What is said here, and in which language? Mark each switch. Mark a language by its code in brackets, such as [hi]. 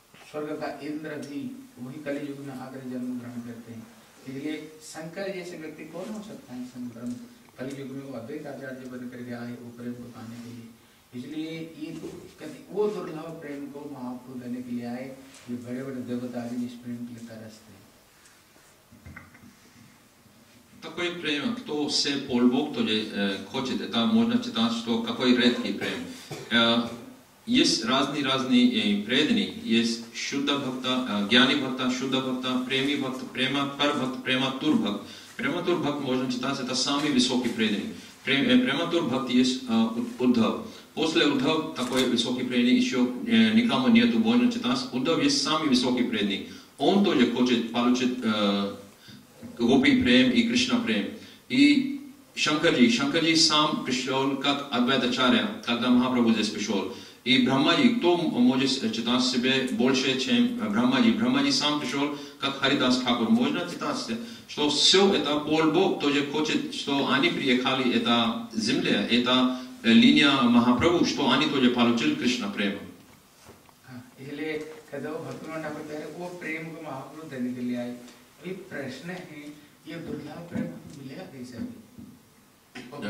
[hi] स्वर्ग का इंद्र भी वही कलयुग में आकर जन्म ग्रहण करते हैं, इसलिए शंकर जैसे व्यक्ति कौन हो सकता है, संत ब्रह्म कलयुग में वो अद्वैत आचार्य बन करके आए वो प्रेम को पाने के लिए, इसलिए वो दुर्लभ प्रेम को महाप्रभु देने के लिए आए, ये बड़े बड़े देवता भी इस प्रेम के लिए तरसते हैं। [ru] Такой прием, кто все полбог, кто хочет, это можно читать, что какой редкий прием. Есть разные преданные, есть Шудда Бхакта, Гьяни Бхакта, Шудда Бхакта, Преми Бхакта, Према Пар Бхакта, Према Тур Бхакта. Према Тур Бхакта можно читать, это самый высокий преданный. Према Тур Бхакта есть Уддхав. После Уддхав такой высокий преданный еще никому нету, можно читать. Уддхав есть самый высокий преданный. Он тоже хочет получить Гопи прем и Кришна прем. И Шанкарджи. Шанкарджи сам пришел как Адвайтачарья, когда Махапрабху здесь пришел. И Брахмаджи, кто может читать себе больше, чем Брахмаджи? Брахмаджи сам пришел как Харидас Хакур. Можно читать себе, что все это полбог, кто же хочет, что они приехали, это земля, это линия Махапрабху, что они тоже получили Кришна прем. Или, когда Бхактивинода говорит, что прем к Махапрабху дали к лиай. [hi] प्रश्न है ये दुर्लभ प्रेम मिलेगा कैसे अभी